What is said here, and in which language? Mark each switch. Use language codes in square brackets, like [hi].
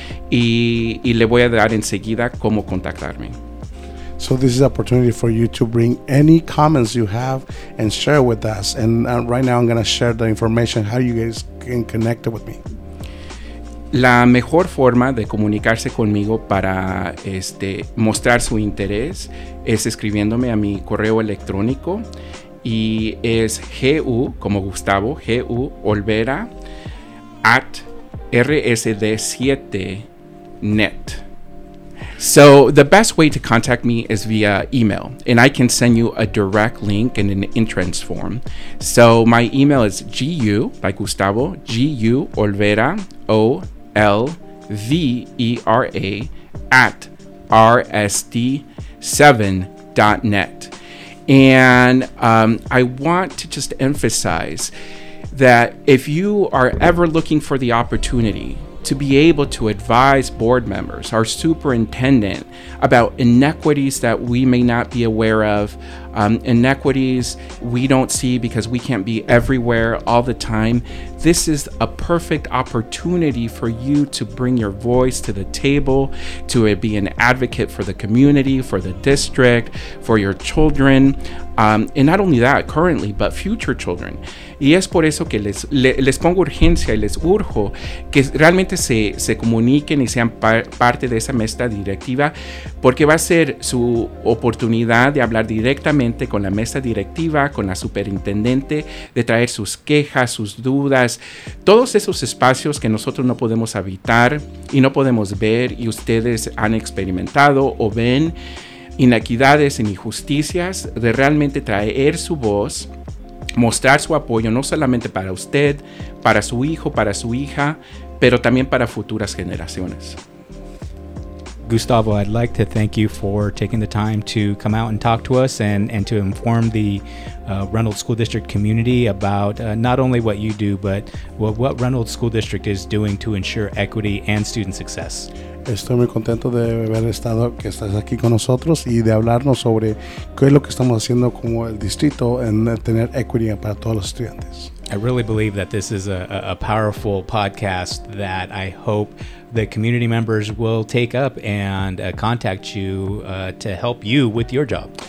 [es] Y le voy a dar enseguida cómo contactarme. [en] So this is an opportunity for you to bring any comments you have and share with us. And right now I'm going to share the information how you guys can connect with me. [es] La mejor forma de comunicarse conmigo para mostrar su interés es escribiéndome a mi correo electrónico y es GU, como Gustavo, GU Olvera at rsd7.net. [en] So the best way to contact me is via email, and I can send you a direct link and an entrance form. So my email is GU, like Gustavo, GU Olvera O. L-V-E-R-A at rsd7.net. And I want to just emphasize that if you are ever looking for the opportunity to be able to advise board members, our superintendent, about inequities that we may not be aware of, inequities we don't see because we can't be everywhere all the time, this is a perfect opportunity for you to bring your voice to the table, to be an advocate for the community, for the district, for your children, and not only that, currently, but future children. [es] Y es por eso que les pongo urgencia y les urjo que realmente se comuniquen y sean parte de esa mesa directiva, porque va a ser su oportunidad de hablar directamente con la mesa directiva, con la superintendente, de traer sus quejas, sus dudas, todos esos espacios que nosotros no podemos habitar y no podemos ver y ustedes han experimentado o ven inequidades, injusticias, de realmente traer su voz, mostrar su apoyo, no solamente para usted, para su hijo, para su hija, pero también para futuras generaciones. [en] Gustavo, I'd like to thank you for taking the time to come out and talk to us and to inform the Reynolds School District community about not only what you do, but what Reynolds School District is doing to ensure equity and student success. [es] Estoy muy contento de haber estado, que estás aquí con nosotros y de hablarnos sobre qué es lo que estamos haciendo como el distrito en tener equity para todos los estudiantes. [en] I really believe that this is a powerful podcast that I hope the community members will take up and contact you to help you with your job.